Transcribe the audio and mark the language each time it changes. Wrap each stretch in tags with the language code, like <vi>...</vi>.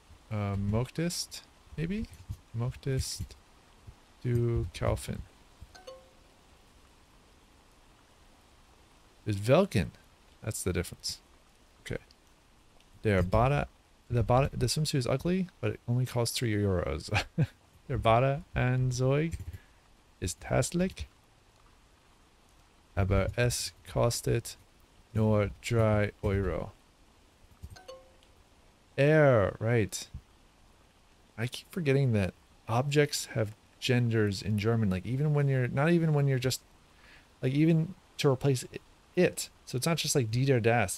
<de>Möchtest,</de> <en>maybe?</en> <de>Möchtest du kaufen?</de> <en>Is welken? That's the difference. Okay.</en> <de>Der Badeanzug.</de> <en>The swimsuit is ugly, but it only costs 3 euros.</en> <de>Der Badeanzug ist hässlich, aber es kostet nur 3 euro.</de> <en>Right. I keep forgetting that objects have genders in German. Like, even when you're... Not even when you're just... Like, even to replace it. So it's not just like die, der, das.</en>